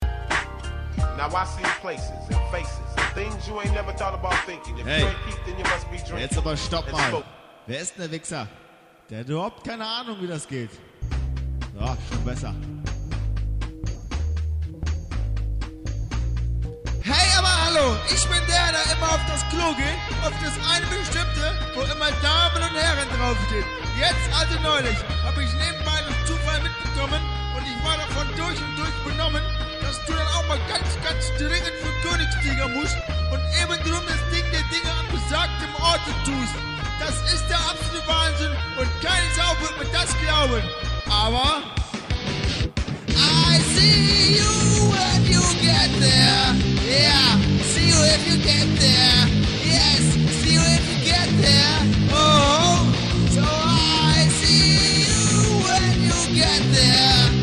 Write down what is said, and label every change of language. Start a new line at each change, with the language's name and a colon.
English: Now I see places and faces and things you ain't never thought about thinking. If hey, you ain't peeped, then you must be drinking.
German: Jetzt aber stopp mal. Wer ist denn der Wichser? Der hat überhaupt keine Ahnung, wie das geht. So, schon besser. Hey, aber hallo, ich bin der, der immer auf das Klo geht, auf das eine bestimmte, wo immer Damen und Herren draufstehen. Jetzt, also neulich, hab ich nebenbei durch Zufall mitbekommen und ich war davon durch und durch benommen, dass du dann auch mal ganz, ganz dringend für Königstiger musst und eben drum das Ding der Dinge an besagtem Orte tust. Das ist der absolute Wahnsinn und keine Sau wird mir das glauben.
English: Aber I see you when you get there. Yeah, see you if you get there. Yes, see you if you get there. Oh, so I see you when you get there.